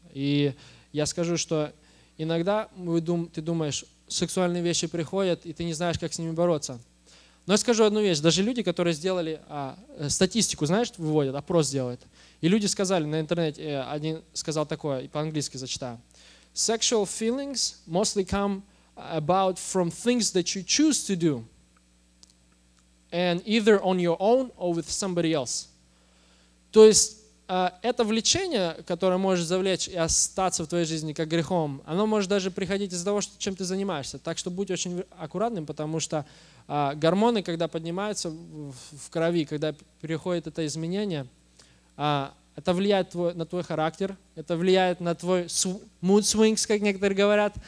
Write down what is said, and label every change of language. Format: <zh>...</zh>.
<ru>И я скажу, что иногда ты думаешь, сексуальные вещи приходят, и ты не знаешь, как с ними бороться. Но я скажу одну вещь. Даже люди, которые сделали статистику, знаешь, выводят, опрос делают. И люди сказали на интернете, один сказал такое, и по-английски зачитаю.</ru> <en>Sexual feelings mostly come about from things that you choose to do. And either on your own or with somebody else.</en> <ru>То есть это влечение, которое может завлечь и остаться в твоей жизни как грехом, оно может даже приходить из-за того, чем ты занимаешься. Так что будь очень аккуратным, потому что гормоны, когда поднимаются в крови, когда приходит это изменение, это влияет на твой характер, это влияет на твой</ru> <en>mood swings,</en> <ru>как некоторые говорят.</ru>